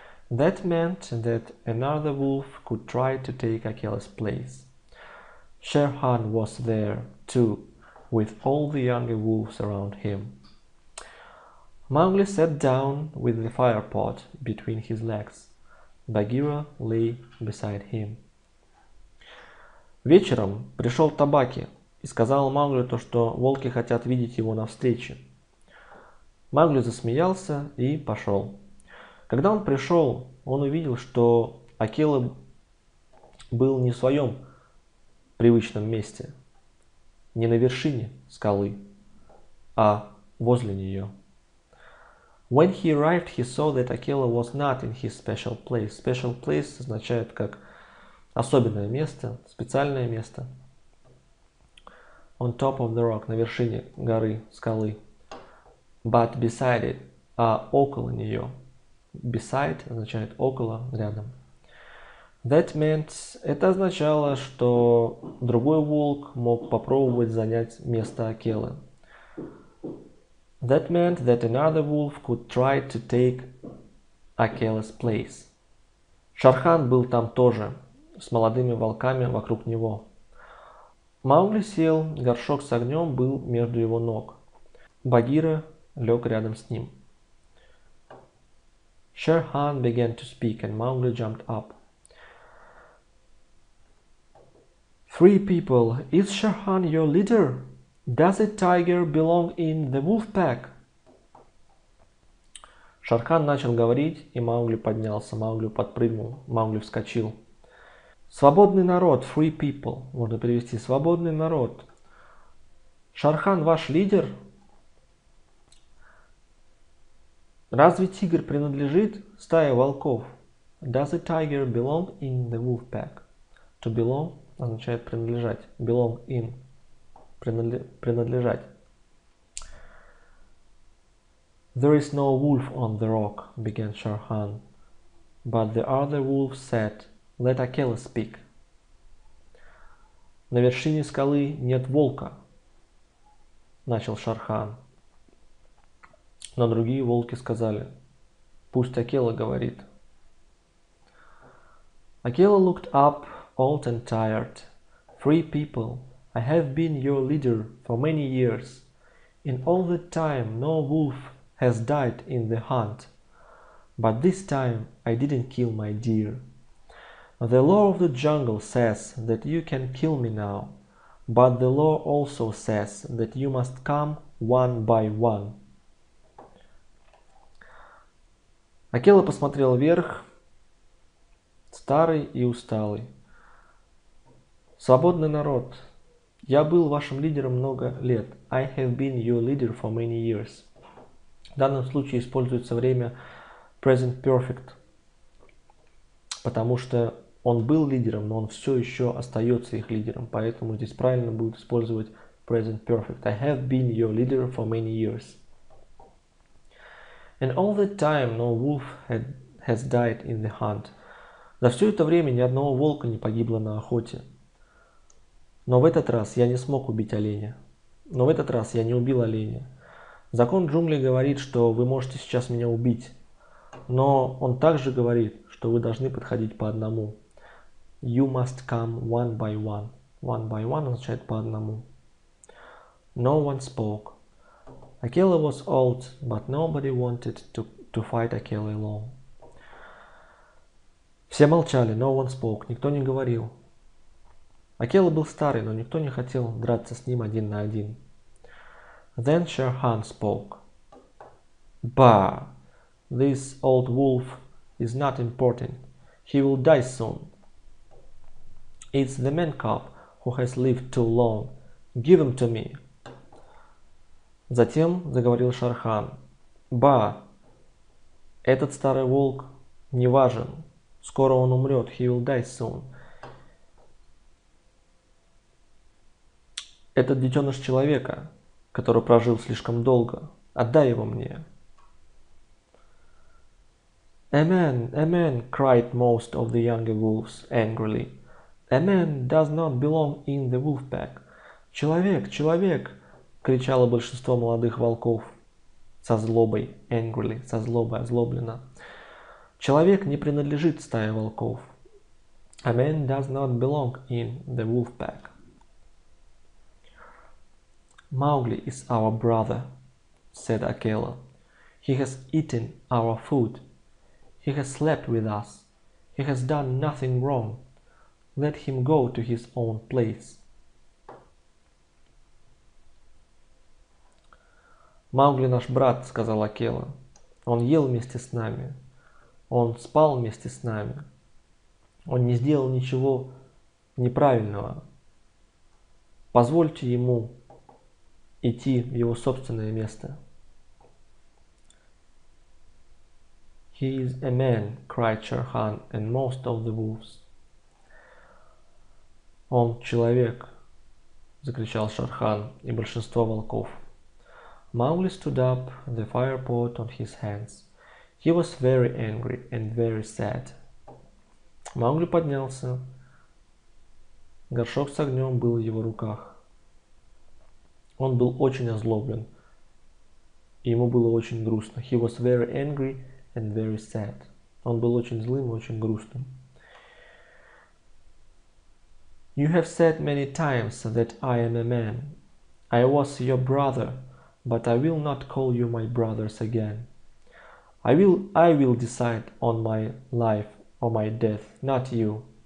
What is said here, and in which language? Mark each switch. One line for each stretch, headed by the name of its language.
English: That meant that another wolf could try to take Akela's place. Shere Khan was there, too, with all the younger wolves around him. Mowgli sat down with the fire pot between his legs. Bagheera lay beside him.
Russian: Вечером пришел Табаки и сказал Маугли то, что волки хотят видеть его на встрече. Маугли засмеялся и пошел. Когда он пришел, он увидел, что Акела был не в своем привычном месте, не на вершине скалы, а возле нее.
English: When he arrived, he saw that Akela was not in his special place. Special place
Russian: означает как особенное место, специальное место.
English: On top of the rock,
Russian: на вершине горы, скалы.
English: But beside it,
Russian: а около нее. Beside означает около, рядом.
English: That meant,
Russian: это означало, что другой волк мог попробовать занять место Акелы.
English: That meant that another wolf could try to take Akela's place.
Russian: Шархан был там тоже, с молодыми волками вокруг него. Маугли сел, горшок с огнем был между его ног. Багира лег рядом с ним.
English: Шерхан began to speak, and Mowgli jumped up. Three people. Is Shere Khan your leader? Does a tiger belong in the wolf pack?
Russian: Шархан начал говорить, и Маугли поднялся. Маугли подпрыгнул. Маугли вскочил. Свободный народ,
English: free people.
Russian: Можно перевести свободный народ. Шархан ваш лидер? Разве тигр принадлежит стае волков?
English: Does a tiger belong in the wolf pack? To belong
Russian: означает принадлежать.
English: Belong in.
Russian: Принадлежать.
English: There is no wolf on the rock, began Sharhan. But the other wolf said, let Akela speak.
Russian: На вершине скалы нет волка, начал Шархан. Но другие волки сказали, пусть Акела говорит.
English: Акела looked up, old and tired. Free people, I have been your leader for many years. In all that time, no wolf has died in the hunt. But this time, I didn't kill my deer. The law of the jungle says that you can kill me now. But the law also says that you must come one by one.
Russian: Акела посмотрел вверх, старый и усталый. Свободный народ, я был вашим лидером много лет.
English: I have been your leader for many years.
Russian: В данном случае используется время present perfect, потому что он был лидером, но он все еще остается их лидером. Поэтому здесь правильно будет использовать present perfect.
English: I have been your leader for many years. And all that time no wolf has died in the hunt.
Russian: За все это время ни одного волка не погибло на охоте. Но в этот раз я не смог убить оленя. Но в этот раз я не убил оленя. Закон джунглей говорит, что вы можете сейчас меня убить. Но он также говорит, что вы должны подходить по одному.
English: You must come one by one. One by one
Russian: означает по одному.
English: No one spoke. Акела was old, but nobody wanted to fight Акела alone.
Russian: Все молчали,
English: no one spoke,
Russian: никто не говорил. Акела был старый, но никто не хотел драться с ним один на один.
English: Then Shere Khan spoke. Bah, this old wolf is not important. He will die soon. It's the man cub who has lived too long. Give him to me.
Russian: Затем заговорил Шархан. Ба, этот старый волк не важен. Скоро он умрет.
English: He will die soon.
Russian: Этот детеныш человека, который прожил слишком долго, отдай его мне.
English: Amen, amen, cried most of the younger wolves angrily. A man does not belong in the wolf pack.
Russian: Человек, человек! Кричало большинство молодых волков со злобой,
English: angrily,
Russian: со злобой, озлобленно. Человек не принадлежит стае волков.
English: A man does not belong in the wolf pack. Mowgli is our brother, said Akela. He has eaten our food. He has slept with us. He has done nothing wrong. Let him go to his own place.
Russian: Маугли наш брат, сказал Акела. Он ел вместе с нами. Он спал вместе с нами. Он не сделал ничего неправильного. Позвольте ему идти в его собственное место.
English: He is a man, cried Shere Khan, and most of the wolves.
Russian: Он человек, закричал Шере Хан, и большинство волков.
English: Mowgli stood up, the fire pot on his hands. He was very angry and very sad. Mowgli
Russian: поднялся. Горшок с огнем был в его руках. Он был очень озлоблен. Ему было очень грустно.
English: He was very angry and very sad.
Russian: Он был очень злым и очень грустным.
English: You have said many times that I am a man. I was your brother, but I will not call you my brothers again. I will decide on my life or my death, not you.